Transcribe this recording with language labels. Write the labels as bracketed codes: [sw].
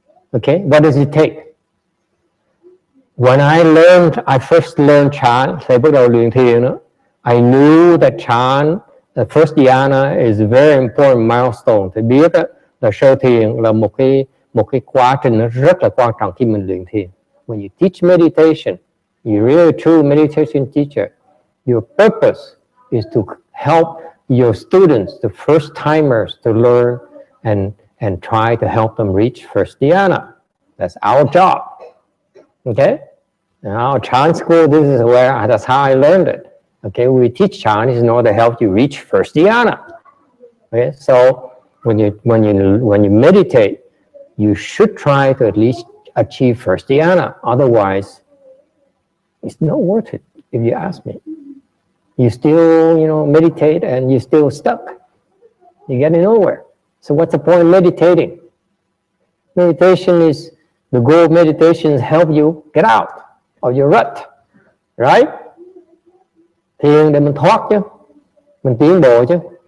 [en] Okay, what does it take? When I first learned chan, [vi] thầy bắt đầu luyện thiền đó, [en] I knew that chan, the first dhyana is a very important milestone. [vi] Thầy biết đó, là sơ thiền là một cái quá trình rất là quan trọng khi mình luyện thiền. [en] When you teach meditation, you're really true meditation teacher. Your purpose is to help your students, the first timers, to learn and try to help them reach first dhyana. That's our job. Okay? In our Chan school, this is that's how I learned it. Okay, we teach Chinese in order to help you reach first dhyana. Okay, so when you meditate, you should try to at least achieve first dhyana. Otherwise, it's not worth it, if you ask me. You still, you know, meditate and you're still stuck. You're getting nowhere. So what's the point of meditating? Meditation is, the goal of meditation is help you get out of your rut. Right? [vi] Thiền để mình thoát chứ. Mình tiến bộ chứ.